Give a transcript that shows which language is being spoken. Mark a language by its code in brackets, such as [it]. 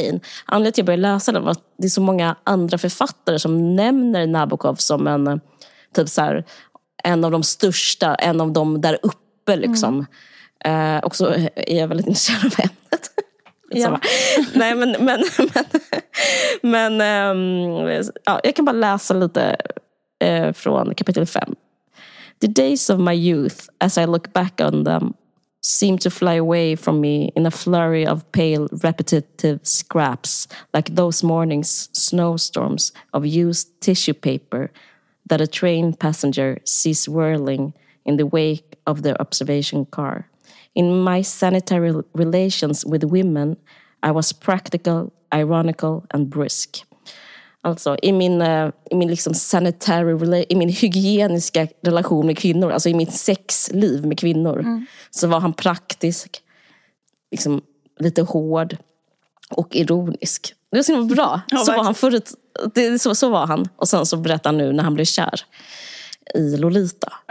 [sv] Anledningen till att jag började läsa den var att det är så många andra författare som nämner Nabokov som en typ så här, en av de största, en av de där uppe liksom. Mm. Och så är jag väldigt intresserad av ämnet. Ja. Nej, men jag kan bara läsa lite från kapitel 5. [en] The days of my youth, as I look back on them, seem to fly away from me in a flurry of pale, repetitive scraps, like those morning's snowstorms of used tissue paper that a train passenger sees whirling in the wake of the observation car. In my sanitary relations with women, I was practical, ironical, and brisk. [sv] Alltså i min liksom sanitary, i min hygieniska relation med kvinnor, alltså i mitt sexliv med kvinnor, så var han praktisk, liksom lite hård och ironisk. Det var så bra. Ja, så var han förut, så var han, och sen så berättar han nu när han blev kär i Lolita.